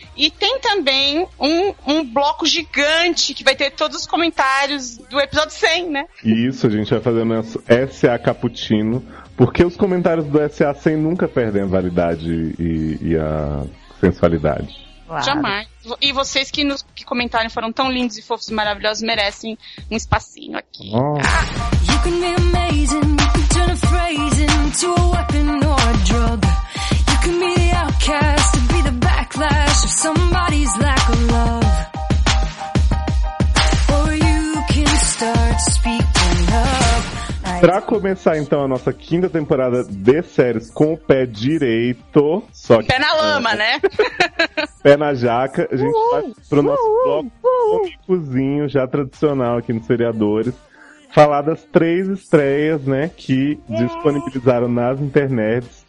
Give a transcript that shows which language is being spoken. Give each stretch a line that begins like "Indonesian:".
Portuguese: E tem também um bloco gigante que vai ter todos os comentários do episódio 100, né? Isso, a gente vai fazer o nosso S.A. Cappuccino. Porque os comentários do S.A. 100 nunca perdem a validade e a sensualidade. Claro. Jamais. E vocês que nos que comentaram foram tão lindos e fofos e maravilhosos merecem um espacinho aqui.
English: You can be amazing, you can turn a phrase into a weapon or a drug. You can be the outcast, be the backlash of somebody's lack of love. Or you can start speaking up.
Portuguese: Pra começar, então, a nossa quinta temporada de séries com o pé direito. Só que pé na lama, né? Pé na jaca. A gente vai pro nosso bloco cozinho, já tradicional aqui nos Seriadores. Falar das três estreias, né, que disponibilizaram nas internets.